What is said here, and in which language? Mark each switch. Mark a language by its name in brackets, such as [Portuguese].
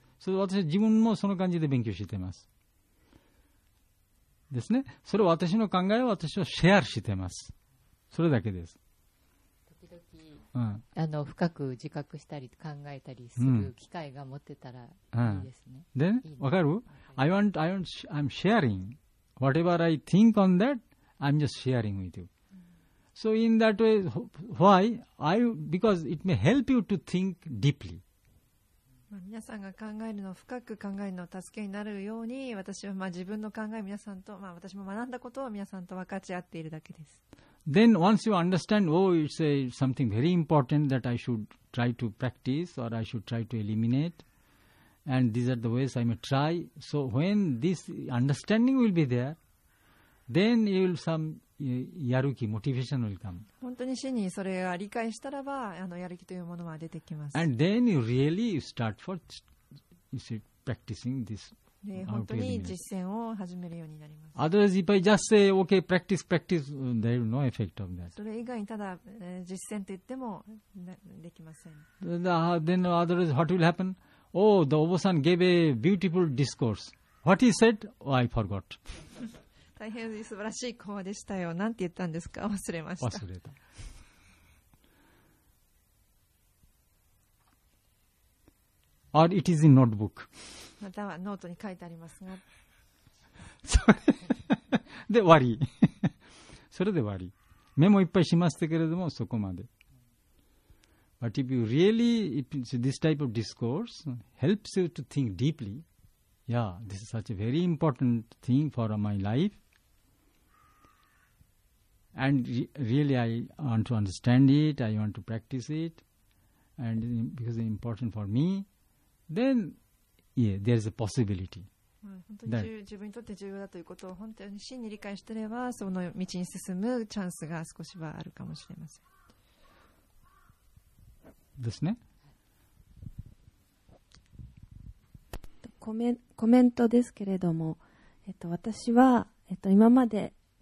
[Japanese] それ私は自分もその感じで勉強していますですね。それ私の考えを私はシェアしています。それだけです。時々、うん、あの深く自覚したり考えたりする機会が持ってたらいいですね、うんうん、でいいね、分かる、はい、 [English] I want I'm sharing whatever I think on that I'm just sharing with you、うん、so in that way why I because it may help you to think deeply。 [Japanese] まあ、皆さんが考えるのを深く考えるのを助けになるように、私はまあ自分の考えを皆さんと、まあ、私も学んだことを皆さんと分かち合っているだけです。 [English] Then once you understand, oh, you say something very important that I should try to practice or I should try to eliminate and these are the ways I may try. So when this understanding will be there, then you will some... [Japanese] やる気、モチベーションが来る。本当に真にそれが理解したらば、あのやる気というものは出てきます。 [English] And then you really start for you see, practicing this. [Japanese] 本当に実践を始めるようになります。 [English] Otherwise, if I just say, okay, practice, practice, there is no effect of that. [Japanese] それ以外にただ、実践と言ってもできません。 [English] Then otherwise, what will happen? Oh, the Obo-san gave a beautiful discourse. What he said? Oh, I forgot. [Japanese] 大変素晴らしい講話でしたよ。なんて言ったんですか？忘れました。忘れた。 [English] Or it is in notebook. [Japanese] またはノートに書いてありますが。それで終わり。それで終わり。メモいっぱいしましたけれども、そこまで。 [English] But if you really, if this type of discourse helps you to think deeply, yeah, this is such a very important thing for my life. And really, I want to understand it. I want to practice it, and because it's important for me, then yeah, there is a possibility. [Japanese] 本当に自分にとって重要だということを本当に真に理解してれば、その道に進むチャンスが少しはあるかもしれません。ですね。コメントですけれども、私は今まで。